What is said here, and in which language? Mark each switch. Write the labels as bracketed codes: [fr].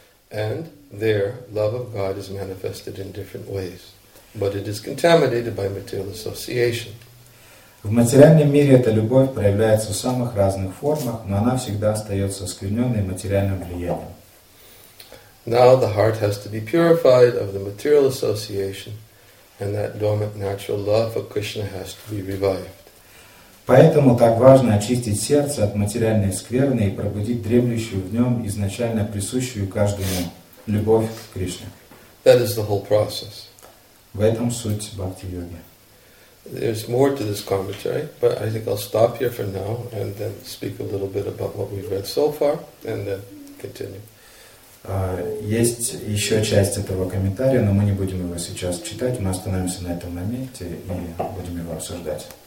[en] And there, love of God is manifested in different ways, but it is contaminated by material association. [ru] В материальном мире эта любовь проявляется в самых разных формах, но она всегда остается оскверненной материальным влиянием. [en] Now the heart has to be purified of the material association, and that dormant natural love for Krishna has to be revived. [ru] Поэтому так важно очистить сердце от материальной скверны и пробудить дремлющую в нем изначально присущую каждому любовь к Кришне. [en] That is the whole process. [ru] В этом суть бхакти-йоги. [en] There's more to this commentary, but I think I'll stop here for now and then speak a little bit about what we've read so far and then continue. [ru] Есть еще часть этого комментария, но мы не будем его сейчас читать. Мы остановимся на этом моменте и будем его обсуждать.